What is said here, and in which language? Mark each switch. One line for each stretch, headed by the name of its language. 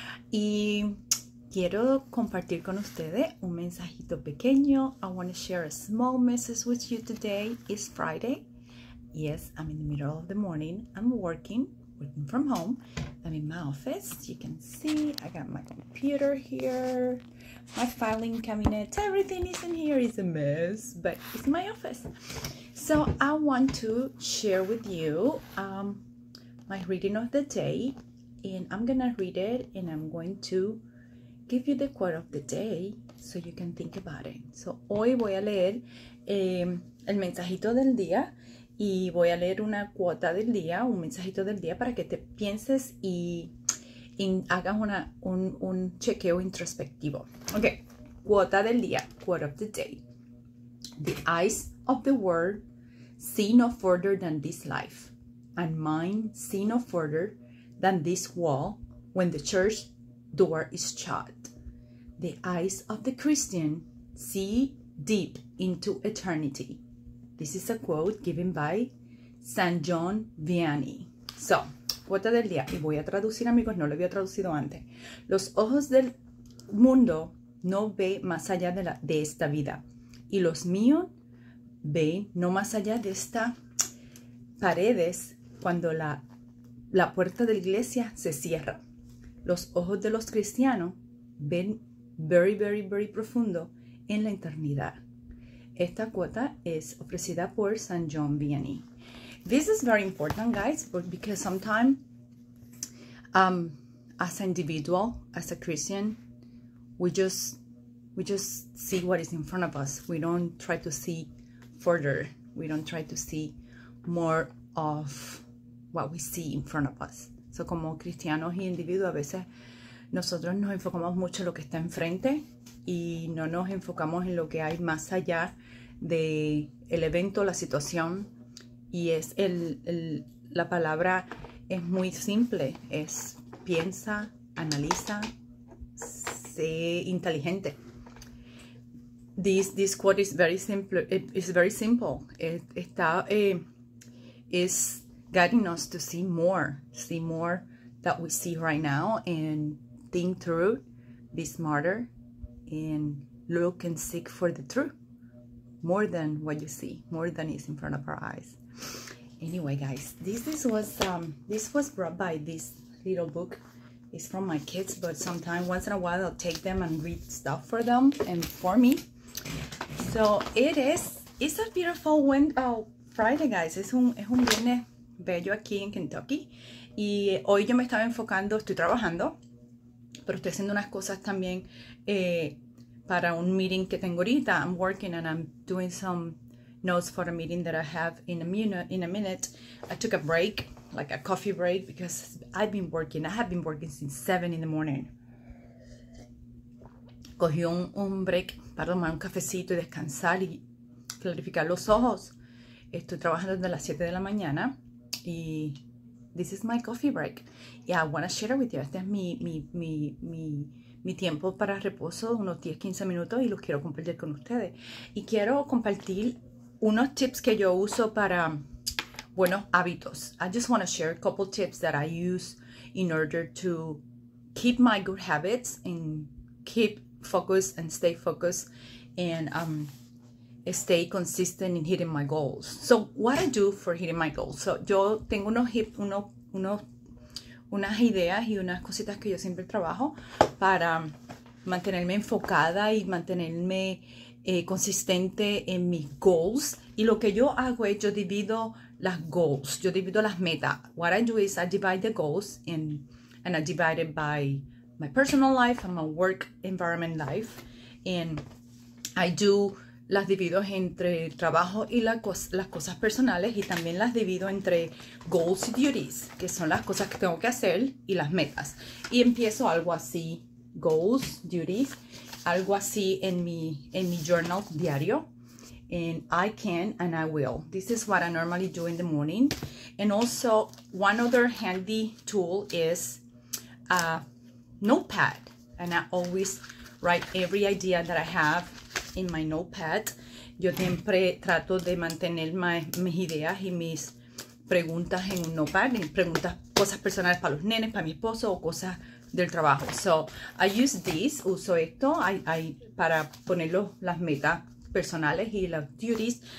Spanish: Y quiero compartir con ustedes un mensajito pequeño.
English: I want to share a small message with you today. It's Friday. Yes, I'm in the middle of the morning. I'm working from home. I'm in my office. You can see I got my computer here, my filing cabinet. Everything is in here. It's a mess, but it's my office. So I want to share with you my reading of the day, and I'm gonna read it, and I'm going to give you the quote of the day so you can think about it.
Spanish: So hoy voy a leer el mensajito del día. Y voy a leer una cuota del día, un mensajito del día para que te pienses y hagas un chequeo introspectivo.
English: Ok,
Spanish: cuota del día,
English: quote of the day. The eyes of the world see no further than this life, and mine see no further than this wall when the church door is shut. The eyes of the Christian see deep into eternity. This is a quote given by San John Vianney.
Spanish: So, cuota del día. Y voy a traducir, amigos, no lo había traducido antes. Los ojos del mundo no ven más allá de esta vida. Y los míos ven no más allá de estas paredes cuando la puerta de la iglesia se cierra. Los ojos de los cristianos ven
English: very, very, very
Spanish: profundo en la eternidad. Esta cuota es ofrecida por San John Vianney.
English: This is very important, guys, because sometimes as an individual, as a Christian, we just see what is in front of us. We don't try to see further. We don't try to see more of what we see in front of us.
Spanish: So como cristianos y individuos, a veces nosotros nos enfocamos mucho en lo que está enfrente y no nos enfocamos en lo que hay más allá de el evento, la situación. Y es la palabra es muy simple, es piensa, analiza, sé inteligente.
English: This quote is very simple. It's very simple. It's guiding us to see more that we see right now, and think through, be smarter, and look and seek for the truth. More than what you see, more than is in front of our eyes. Anyway, guys, this was brought by this little book. It's from my kids, but sometimes, once in a while, I'll take them and read stuff for them and for me. So it's a beautiful Friday, guys.
Spanish: Es un viernes bello aquí en Kentucky. Y hoy yo me estaba enfocando, estoy trabajando, pero estoy haciendo unas cosas también. Para un meeting que tengo ahorita,
English: I'm working and I'm doing some notes for a meeting that I have in a minute. I took a break, like a coffee break, because I have been working since 7 in the morning.
Spanish: Cogí un break para tomar un cafecito y descansar y clarificar los ojos. Estoy trabajando desde las 7 de la mañana y
English: this is my coffee break. Yeah, I want to share it with you.
Spanish: Este es mi tiempo para reposo, unos 10-15 minutos, y los quiero compartir con ustedes. Y quiero compartir unos tips que yo uso para buenos hábitos.
English: I just want to share a couple tips that I use in order to keep my good habits and keep focused and stay focused and stay consistent in hitting my goals. So what I do for hitting my goals.
Spanish: So yo tengo unas ideas y unas cositas que yo siempre trabajo para mantenerme enfocada y mantenerme consistente en mis goals. Y lo que yo hago es yo divido las metas.
English: What I do is I divide the goals and I divide it by my personal life and my work environment life. And I do
Spanish: las divido entre el trabajo y las cosas personales, y también las divido entre goals y duties, que son las cosas que tengo que hacer, y las metas. Y empiezo algo así, goals, duties, algo así en mi journal diario.
English: And I can and I will. This is what I normally do in the morning. And also, one other handy tool is a notepad. And I always write every idea that I have in my notepad.
Spanish: Yo siempre trato de mantener mis ideas y mis preguntas en un notepad. Preguntas, cosas personales para los nenes, para mi esposo o cosas del trabajo.
English: So, I use this,
Spanish: uso esto para poner las metas personales y las duties.